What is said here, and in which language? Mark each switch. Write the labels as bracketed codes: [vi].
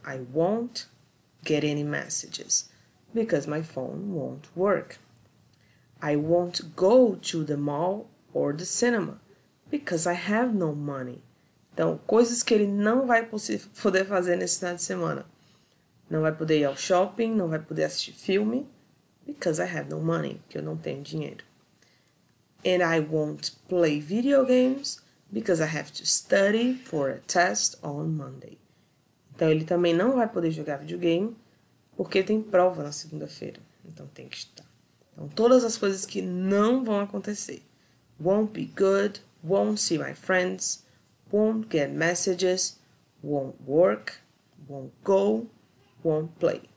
[en] I won't get any messages because my phone won't work. I won't go to the mall or the cinema because I have no money. [pt] Então, coisas que ele não vai poder fazer nesse final de semana. Não vai poder ir ao shopping, não vai poder assistir filme [en] because I have no money, [pt] que eu não tenho dinheiro. [en] And I won't play video games because I have to study for a test on Monday. [pt] Então, ele também não vai poder jogar videogame porque tem prova na segunda-feira. Então, tem que estar. Então, todas as coisas que não vão acontecer. [en] Won't be good, won't see my friends, won't get messages, won't work, won't go, won't play.